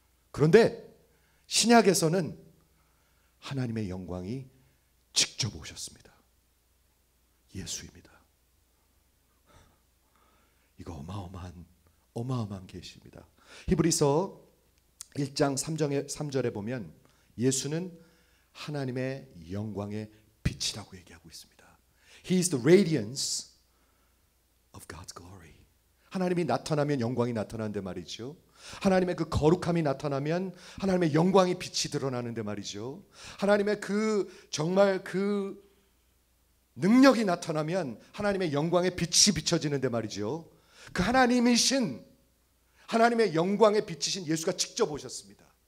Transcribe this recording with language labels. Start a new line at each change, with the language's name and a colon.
Korean: 그런데 신약에서는 하나님의 영광이 직접 오셨습니다. 예수입니다. 이거 어마어마한 계시입니다. 히브리서 1장 3절에 보면 예수는 하나님의 영광의 빛이라고 얘기하고 있습니다.
English: He is the radiance of God's glory.
Korean: 하나님이 나타나면 영광이 나타나는데 말이죠. 하나님의 그 거룩함이 나타나면 하나님의 영광이 빛이 드러나는데 말이죠. 하나님의 그 정말 그 능력이 나타나면 하나님의 영광의 빛이 비춰지는데 말이죠. 그 하나님이신 하나님의 영광의 빛이신 예수가 직접 오셨습니다.